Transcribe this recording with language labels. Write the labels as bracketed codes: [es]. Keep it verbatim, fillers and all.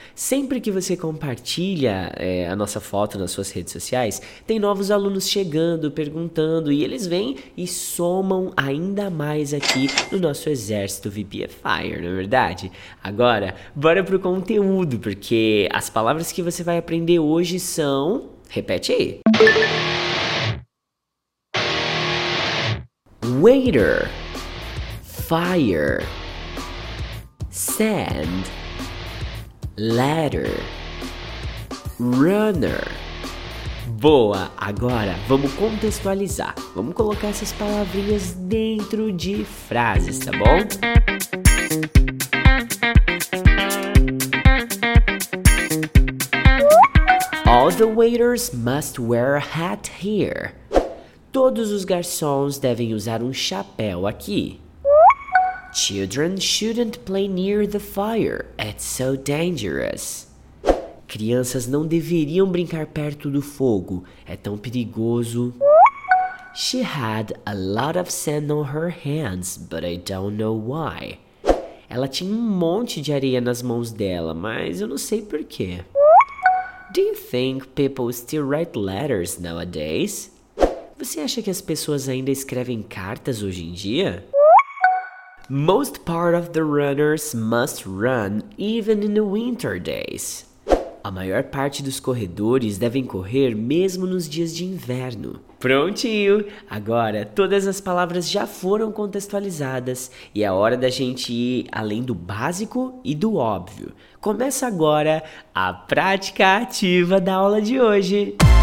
[pt] Sempre que você compartilha é, a nossa foto nas suas redes sociais, tem novos alunos chegando, perguntando, e eles vêm e somam ainda mais aqui no nosso exército VPFire, não é verdade? Agora, bora pro conteúdo, porque as palavras que você vai aprender hoje são... Repete aí. [en] Waiter, fire, sand, ladder, runner. Boa! [pt] Agora vamos contextualizar. Vamos colocar essas palavrinhas dentro de frases, tá bom? [en] All the waiters must wear a hat here. [pt] Todos os garçons devem usar um chapéu aqui. [en] Children shouldn't play near the fire. It's so dangerous. [pt] Crianças não deveriam brincar perto do fogo. É tão perigoso. [en] She had a lot of sand on her hands, but I don't know why. [pt] Ela tinha um monte de areia nas mãos dela, mas eu não sei porquê. [en] Do you think people still write letters nowadays? [pt] Você acha que as pessoas ainda escrevem cartas hoje em dia? [en] Most part of the runners must run even in the winter days. [pt] A maior parte dos corredores devem correr mesmo nos dias de inverno. Prontinho! Agora, todas as palavras já foram contextualizadas e é hora da gente ir além do básico e do óbvio. Começa agora a prática ativa da aula de hoje.